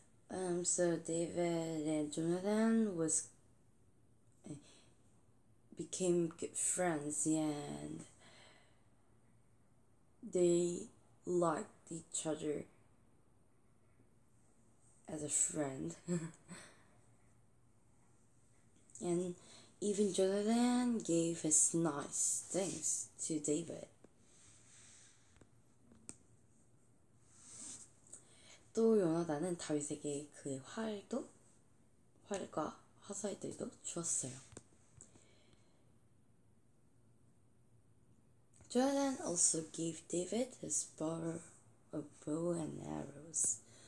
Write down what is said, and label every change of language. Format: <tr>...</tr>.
<en>So David and Jonathan became good friends and they liked each other as a friend. And even Jonathan gave his nice things to David.</en> <ko>또 요나단은 다윗에게 그의 활과 화살들도 주었어요.</ko> <en>Jonathan also gave David his bow and arrows.</en>